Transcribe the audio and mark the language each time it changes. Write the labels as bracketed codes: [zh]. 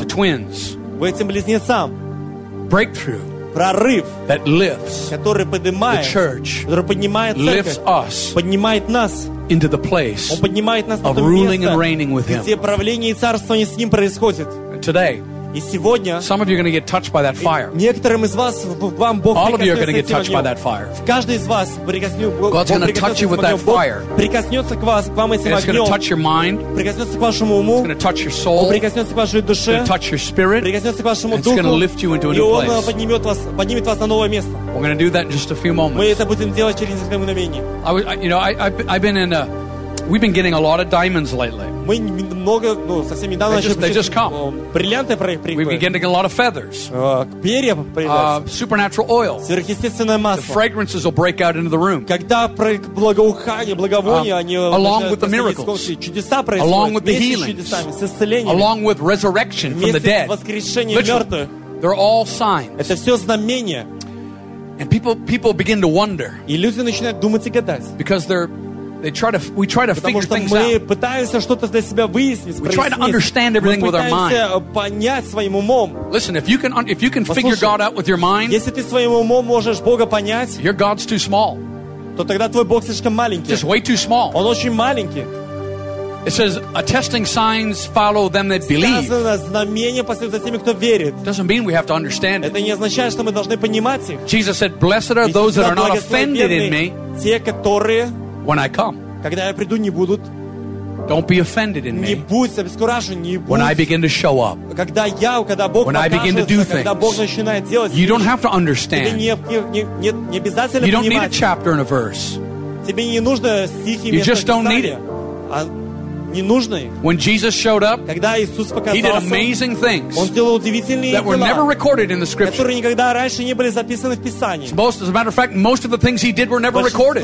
[en] to twins [ru] в этим близнецам [en] breakthrough [ru] прорыв [en] that lifts [ru] который поднимает [en] the church [ru] который поднимает церковь [en] lifts us [ru] поднимает нас [en] into the place [ru] он поднимает нас [en] of ruling and reigning with him [ru] где правление и царствование с ним происходит [en] today [ru] и сегодня [en] some of you are going to get touched by that fire [ru] некоторым из вас вам Бог [en] all of you are going to get touched by that fire [ru] каждый из вас [en] God's going to touch you with that fire [ru] прикоснется к вас к вам этим [en] огнем it's going to touch your mind [ru] прикоснется к вашему уму [en] it's going to touch your soul [ru] прикоснется к вашей душе [en] it's going to touch your spirit [ru] прикоснется к вашему духу [en] it's going to lift you into a new place [ru] и он поднимет вас на новое место [en] we're going to do that in just a few moments [ru] мы это будем делать через несколько мгновений [en] We've been getting a lot of diamonds lately. [ru] Мы много, ну, совсем недавно [en] they just come. [ru] Бриллианты приходят. [en] We've been getting a lot of feathers. [ru] Перья появляются. [en] Supernatural oil. [ru] Сверхъестественное масло. [en] The fragrances will break out into the room. [ru] Когда благоухание, благовония, они [en] along with the miracles. [ru] Чудеса происходят. [en] Along with the healings. Along with resurrection from the dead. [ru] Воскрешение мертвых. [en] They're all signs. [ru] Это все знамения. [en] And people begin to wonder. [ru] И люди начинают думать и гадать. [en] Because they're We try to figure things out. [ru] Мы пытаемся что-то для себя выяснить. [en] We try to understand everything with our mind. [ru] Мы пытаемся понять своим умом. [en] Listen, if you can figure God out with your mind, [ru] если ты своим умом можешь Бога понять, [en] your God's too small. [ru] То тогда твой Бог слишком маленький. [en] Just way too small. [ru] Он очень маленький. [en] It says, attesting signs follow them that believe. [ru] Сказано, знамения последуют за теми, кто верит. [en] Doesn't mean we have to understand it. [ru] Это не означает, что мы должны понимать их. [en] Jesus said, blessed are those that are not offended in me. [ru] Те, которые [en] When I come, [ru] когда я приду, не будут [en] Don't be offended in me. [ru] Не будь обескуражен, не будь. [en] When I begin to show up. [ru] Когда я, когда Бог [en] when [ru] покажется, [en] I begin to do things. [ru] Когда Бог начинает делать. [en] You don't have to understand. [ru] Тебе не обязательно понимать. [en] You don't need a chapter and a verse. [ru] Тебе не нужно стихи. [en] You just don't need it. When Jesus showed up, he did amazing things that were never recorded in the Scripture. As a matter of fact, most of the things he did were never recorded.